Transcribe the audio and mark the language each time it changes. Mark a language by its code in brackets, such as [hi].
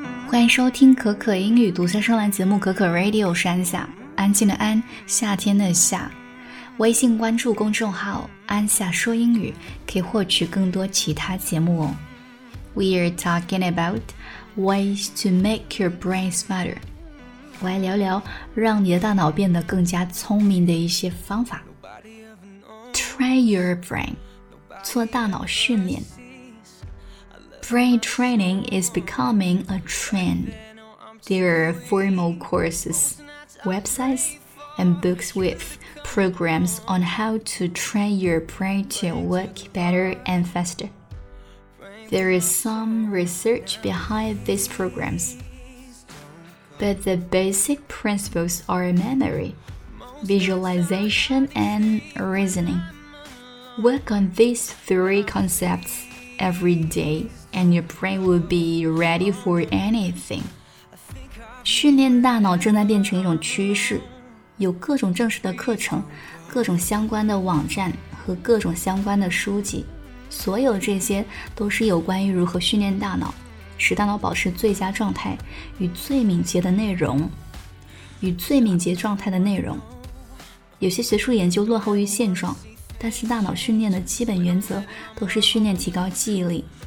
[zh] 欢迎收听可可英语独家专栏节目可可 Radio， 是安夏，安静的安，夏天的夏。微信关注公众号安夏说英语，可以获取更多其他节目哦。 [en] We are talking about ways to make your brain smarter。 [zh] 我来聊聊让你的大脑变得更加聪明的一些方法。 [en] Train your brain， [zh] 做大脑训练。 [en] Brain training is becoming a trend. There are formal courses, websites, and books with programs on how to train your brain to work better and faster. There is some research behind these programs. But the basic principles are memory, visualization, and reasoning. Work on these three concepts every day. And your brain will be ready for anything. [zh] 训练大脑正在变成一种趋势，有各种正式的课程，各种相关的网站和各种相关的书籍，所有这些都是有关于如何训练大脑，使大脑保持最佳状态与最敏捷的内容，有些学术研究落后于现状，但是大脑训练的基本原则都是训练提高记忆力。